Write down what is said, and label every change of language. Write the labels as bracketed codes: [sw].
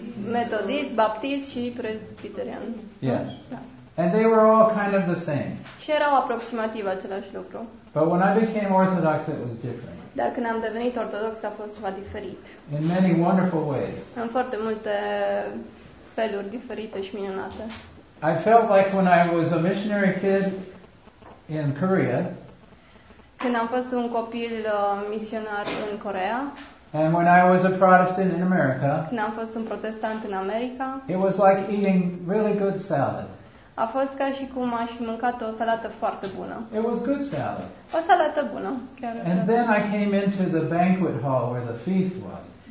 [ro] Methodist, Baptist și Presbyterian. [en] Yes. And they were all kind of the same. [ro] Și erau aproximativ același lucru. [en] But when I became Orthodox, it was different. [ro] Dar când am devenit ortodox, a fost ceva diferit. [en] In many wonderful ways. [ro] În foarte multe feluri diferite și minunate. [en] I felt like when I was a missionary kid in Korea. [ro] Când am fost un copil misionar în Corea. [en] And when I was a Protestant in America. [ro] Când am fost un protestant în America. [en] It was like eating really good salad. [ro] A fost ca și cum aș fi mâncat o salată foarte bună. [en] It was good salad. [ro] O salată bună, chiar. [en] And then I came into the banquet hall where the feast was.